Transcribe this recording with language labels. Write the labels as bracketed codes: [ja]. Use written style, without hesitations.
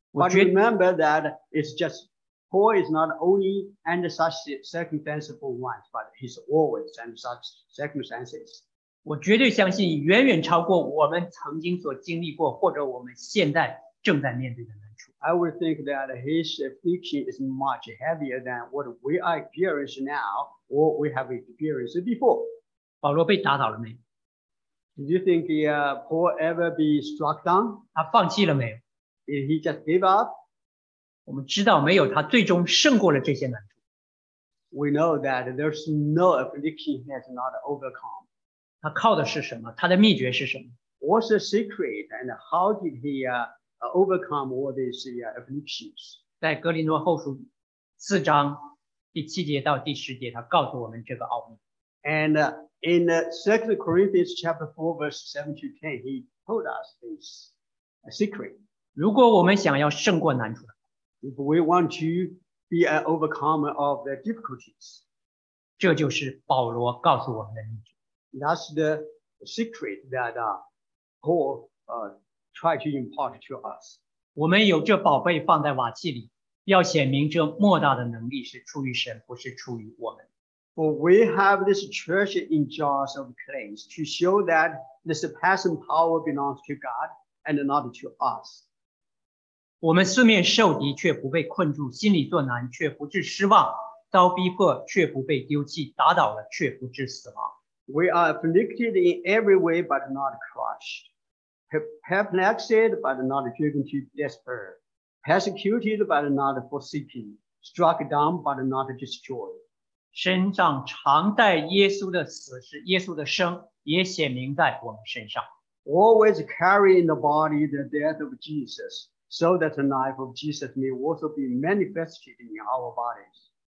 [en] But remember that it's just Paul is not only under such circumstances for once, but he's always under such circumstances. [zh] 我绝对相信远远超过我们曾经所经历过或者我们现在正在面对的难处。 [en] I would think that his affliction is much heavier than what we are experiencing now or we have experienced before. [zh] 保罗被打倒了没 [en] Did you think Paul ever be struck down? [zh] 他放弃了没 [en] Did he just give up? [zh] 我们知道没有他最终胜过了这些难处。 [en] We know that there's no affliction he has not overcome. [zh] 他靠的是什么？他的秘诀是什么？ [en] What's the secret and how did he overcome all these afflictions? [zh] 在哥林多后书四章第七节到第十节他告诉我们这个奥秘。 [en] And in 2 Corinthians chapter 4 verse 7 to 10 he told us this secret. [zh] 如果我们想要胜过难处 [en] If we want to be an overcomer of the difficulties, [zh] 这就是保罗告诉我们的秘诀。 [en] That's the secret that Paul tried to impart to us. [zh] 我们有这宝贝放在瓦器里，要显明这莫大的能力是出于神，不是出于我们。 [en] For we have this treasure in jars of clay to show that the surpassing power belongs to God and not to us. [zh] 我们四面受敌却不被困住心里作难却不致失望遭逼迫却不被丢弃打倒了却不致死亡 [en] We are afflicted in every way but not crushed Perplexed but not driven to despair Persecuted but not forsaken Struck down but not destroyed [zh] 身上常带耶稣的死是耶稣的生也显明在我们身上 [en] Always carry in the body the death of JesusSo that the life of Jesus may also be manifested in our bodies.